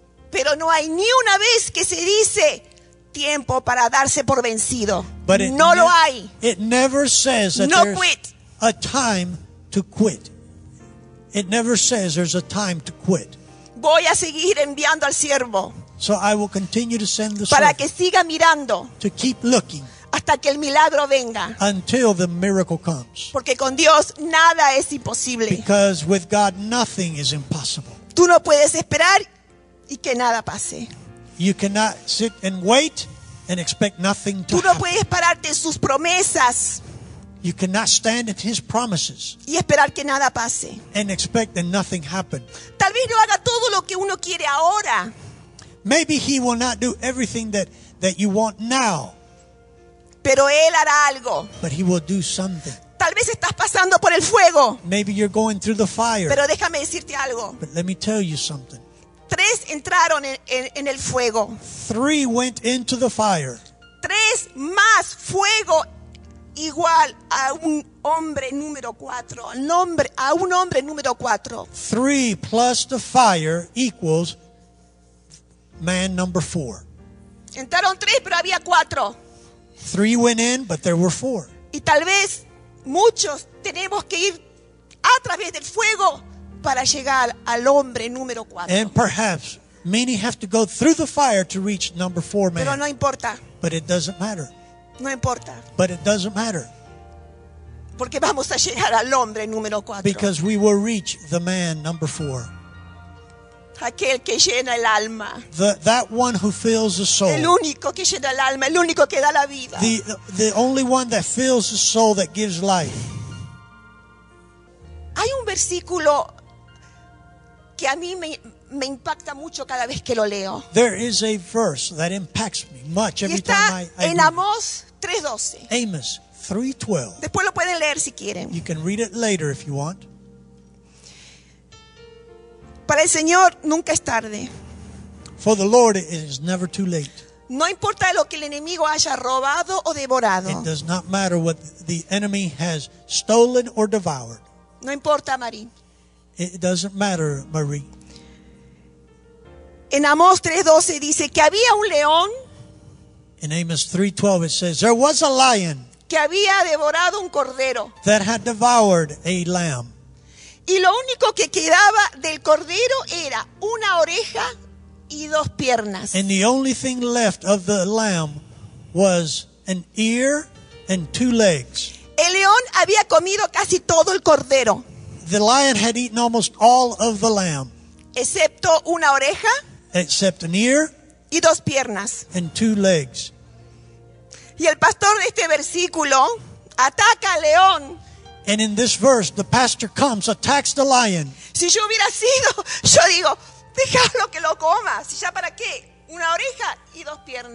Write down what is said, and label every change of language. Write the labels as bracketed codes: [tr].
[es] Pero no hay ni una vez que se dice tiempo para darse por vencido. No lo hay. [en] It never says that no there's quit. A time to quit. It never says there's a time to quit. [es] Voy a seguir enviando al siervo. [en] So I will continue to send the [es] servant. Para que siga mirando. [en] To keep looking. [es] Hasta que el milagro venga. [en] Until the miracle comes. [es] Porque con Dios nada es imposible. [en] Because with God nothing is impossible. [es] Tú no puedes esperar y que nada pase. [en] You cannot sit and wait and expect nothing to happen. Tú [es] no puedes pararte en sus promesas. [en] You cannot stand in his promises. [es] Y esperar que nada pase. [en] And expect that nothing happen. [es] Tal vez no haga todo lo que uno quiere ahora. [en] Maybe he will not do everything that you want now. [es] Pero él hará algo. [en] But he will do something. [es] Tal vez estás pasando por el fuego. [en] Maybe you're going through the fire. [es] Pero déjame decirte algo. [en] But let me tell you something. [es] Tres entraron en el fuego. [en] Three went into the fire. [es] Tres más fuego igual a un hombre número cuatro. A un hombre número cuatro. [en] Three plus the fire equals man number four. [es] Entraron tres, pero había cuatro. [en] Three went in, but there were four. [es] Y tal vez muchos tenemos que ir a través del fuego para llegar al hombre número cuatro. [en] And perhaps many have to go through the fire to reach number four man. [es] Pero no importa. [en] But it doesn't matter. [es] No importa. [en] But it doesn't matter. [es] Porque vamos a llegar al hombre número cuatro. [en] Because we will reach the man number four. [es] Aquel que llena el alma. [en] That one who fills the soul. [es] El único que llena el alma, el único que da la vida. [en] The only one that fills the soul that gives life. [es] Hay un versículo que a mí me impacta mucho cada vez que lo leo. [en] There is a verse that impacts me much every [es] está [en] time I [es] en Amos 3:12. [en] Amos 3:12. [es] Después lo pueden leer si quieren. [en] You can read it later if you want. [es] Para el Señor nunca es tarde. [en] For the Lord it is never too late. [es] No importa lo que el enemigo haya robado o devorado. [en] It does not matter what the enemy has stolen or devoured. [es] No importa, Marín. [en] It doesn't matter, Marie. [es] En Amos 3:12 dice que había un león. [en] In Amos 3:12 it says there was a lion. [es] Que había devorado un cordero. [en] That had devoured a lamb. [es] Y lo único que quedaba del cordero era una oreja y dos piernas. [en] And the only thing left of the lamb was an ear and two legs. [es] El león había comido casi todo el cordero. [en] The lion had eaten almost all of the lamb. [es] Excepto una oreja. [en] Except an ear. [es] Y dos piernas. [en] And two legs. [es] Y el pastor de este versículo ataca al león. [en] And in this verse, the pastor comes, attacks the lion. [es] Si yo hubiera sido, yo digo, déjalo que lo coma. Si ya para qué, una oreja y dos piernas.